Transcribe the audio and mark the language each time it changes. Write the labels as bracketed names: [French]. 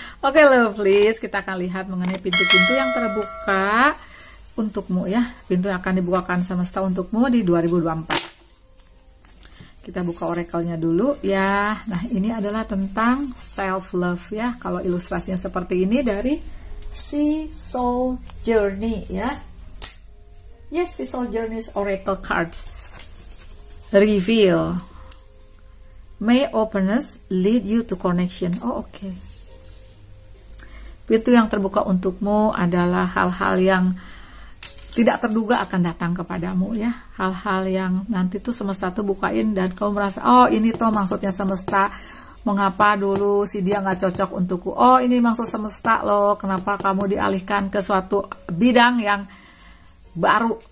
[Indonesian] Oke, Lovelies, kita akan lihat mengenai pintu-pintu yang terbuka untukmu ya. Pintu yang akan dibukakan semesta untukmu di 2024. Kita buka oracle-nya dulu ya. Nah, ini adalah tentang self love ya. Kalau ilustrasinya seperti ini dari Sea Soul Journey ya. [English] Yes, Sea Soul Journey's oracle cards reveal may openness lead you to connection. Oh, oke. [Indonesian] Pintu yang terbuka untukmu adalah hal-hal yang tidak terduga akan datang kepadamu ya. Hal-hal yang nanti tuh semesta tuh bukain dan kamu merasa, oh ini tuh maksudnya semesta. Mengapa dulu si dia gak cocok untukku? Oh ini maksud semesta loh, kenapa kamu dialihkan ke suatu bidang yang baru.